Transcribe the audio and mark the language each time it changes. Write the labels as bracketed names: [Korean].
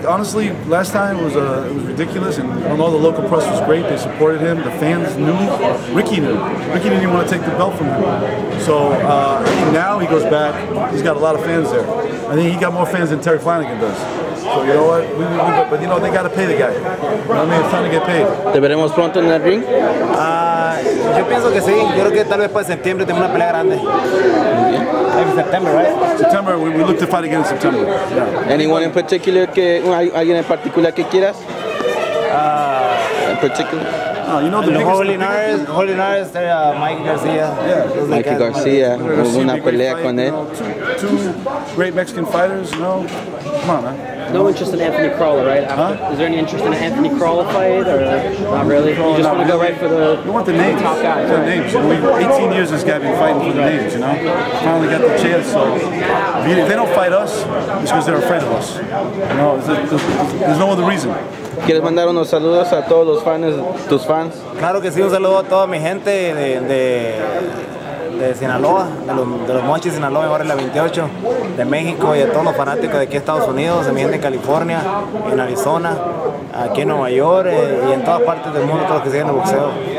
[English] Like honestly, last time it was ridiculous, and all the local press was great, they supported him, the fans knew, Ricky knew. Ricky didn't even want to take the belt from him. So now he goes back, he's got a lot of fans there. I think he got more fans than Terry Flanagan does. So you know what? But you know, they got to pay the guy. You know what I mean? It's time to get paid. [Spanish] ¿Te veremos pronto en el ring? Yo pienso que sí. Yo creo que tal vez para septiembre tengo una pelea grande. [English] Maybe September, right? September, we look to fight again in September. Yeah. Anyone in particular, [Spanish] alguien en particular que quieras? [English] In particular? You know, the Holinares, Mike Garcia. Yeah. [Spanish] Mikey Garcia, hubo una pelea con él. [English] Two great Mexican fighters, you know. Come on, man. No interest in Anthony Crawler, right? Huh? Is there any interest in an Anthony Crawler fight, or not really? You just want to go right for the top guy. We want the names. Right? The names. You know, 18 years this guy been fighting for the names, you know? Finally got the chance, so. If they don't fight us, it's because they're afraid of us. You know, there's no other reason. [Spanish] ¿Quieres mandar unos saludos a todos los fans, tus fans? Claro que sí, un saludo a toda mi gente de de Sinaloa, de los Mochis Sinaloa, en Barrio La 28, de México y de todos los fanáticos de aquí de Estados Unidos, de mi gente en California, en Arizona, aquí en Nueva York y en todas partes del mundo, todos los que siguen el boxeo.